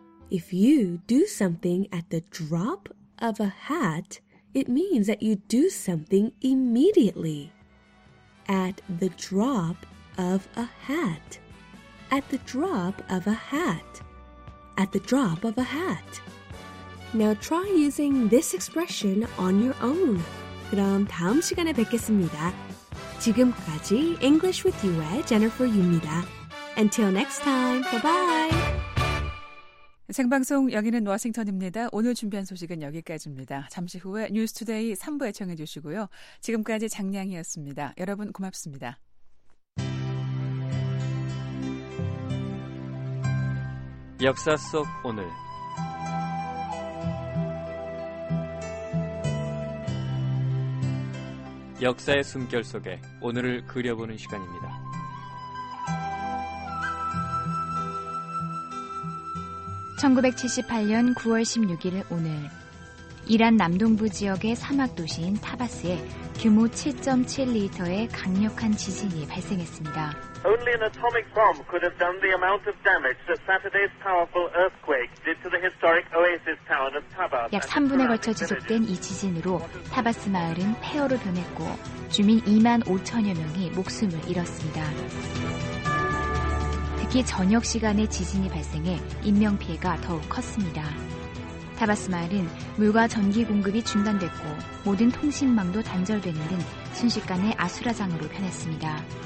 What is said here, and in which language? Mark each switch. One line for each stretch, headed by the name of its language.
English: If you do something at the drop of a hat, it means that you do something immediately. At the drop of a hat. At the drop of a hat. At the drop of a hat. Now try using this expression on your own.
Korean: 그럼 다음 시간에 뵙겠습니다. 지금까지 English with You의 Jennifer Yu입니다.
English: Until next time, bye-bye!
Korean: 생방송 여기는 워싱턴입니다. 오늘 준비한 소식은 여기까지입니다. 잠시 후에 뉴스투데이 3부에 청해 주시고요. 지금까지 장량이었습니다. 여러분 고맙습니다. Yaksa Sok Onul. Yaksa의 숨결 속에 오늘을 그려보는 시간입니다. (1978년 9월 16일) 오늘 이란 남동부 지역의 사막 도시인 타바스에 규모 7.7리터의 강력한 지진이 발생했습니다.
English: Only an atomic bomb could have done the amount of damage that Saturday's powerful earthquake did to the historic oasis town of Tabas.
Korean: 약 3분에 걸쳐 지속된 이 지진으로 타바스 마을은 폐허로 변했고 주민 2만 5천여 명이 목숨을 잃었습니다. 특히 저녁 시간에 지진이 발생해 인명피해가 더욱 컸습니다. 타바스 마을은 물과 전기 공급이 중단됐고 모든 통신망도 단절되는 등 순식간에 아수라장으로 변했습니다.